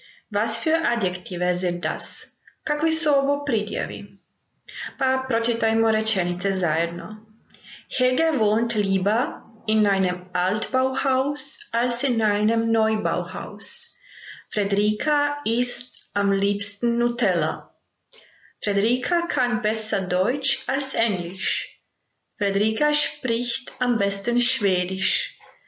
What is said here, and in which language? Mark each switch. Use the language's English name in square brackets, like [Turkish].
[German] Was für Adjektive sind das? [Croatian] Kakvi su ovo pridjevi? Pa pročitajmo rečenice zajedno. [German] Helga wohnt lieber in einem Altbauhaus als in einem Neubauhaus. Frederika isst am liebsten Nutella. Frederika kann besser Deutsch als Englisch. Frederika spricht am besten Schwedisch.